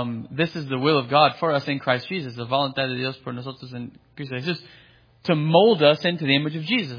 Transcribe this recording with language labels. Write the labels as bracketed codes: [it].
[en] This is the will of God for us in Christ Jesus. [es] La voluntad de Dios por nosotros en Cristo Jesús. [en] To mold us into the image of Jesus.